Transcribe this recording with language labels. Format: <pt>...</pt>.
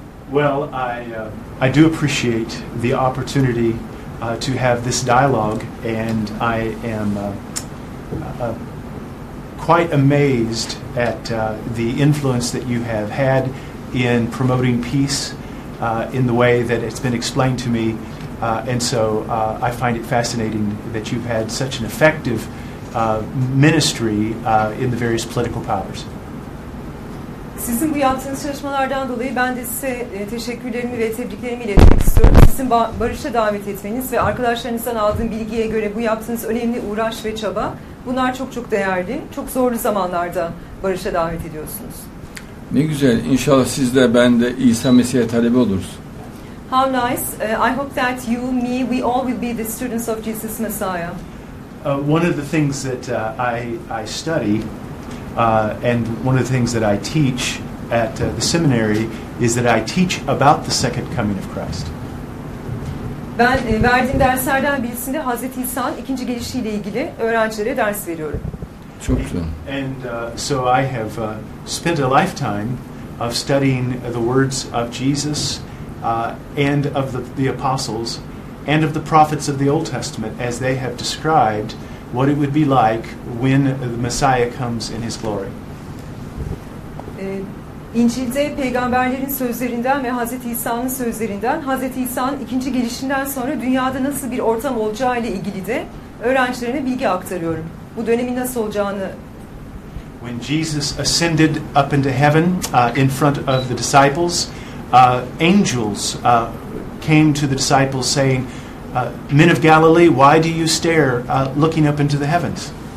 <en>Well, I do appreciate the opportunity to have this dialogue, and I am quite amazed at the influence that you have had in promoting peace in the way that it's been explained to me. And so I find it fascinating that you've had such an effective ministry in the various political powers.</en> <tr>Sizin bu yaptığınız çalışmalardan dolayı ben de size teşekkürlerimi ve tebriklerimi iletmek istiyorum. Sizin barışa davet etmeniz ve arkadaşlarınızdan aldığım bilgiye göre bu yaptığınız önemli uğraş ve çaba, bunlar çok çok değerli. Çok zorlu zamanlarda barışa davet ediyorsunuz. Ne güzel. İnşallah siz de ben de İsa Mesih'e talebe oluruz.</tr> <en>How nice. I hope that you, me, we all will be the students of Jesus Messiah. One of the things that I study and one of the things that I teach at the seminary is that I teach about the second coming of Christ.</en> <tr>Ben verdiğim derslerden birisinde Hazreti İsa'nın ikinci gelişiyle ilgili öğrencilere ders veriyorum. Çok güzel.</tr> <en>And so I have spent a lifetime of studying the words of Jesus and of the apostles and of the prophets of the Old Testament as they have described what it would be like when the Messiah comes in his glory.</en> <tr>İncil'de peygamberlerin sözlerinden ve Hazreti İsa'nın sözlerinden, Hazreti İsa'nın ikinci gelişinden sonra dünyada nasıl bir ortam olacağı ile ilgili de öğrencilerine bilgi aktarıyorum. Bu dönemin nasıl olacağını.</tr> <en>When Jesus ascended up into heaven in front of the disciples, angels came to the disciples saying, "Men of Galilee, why do you stare looking up into the heavens?"</en>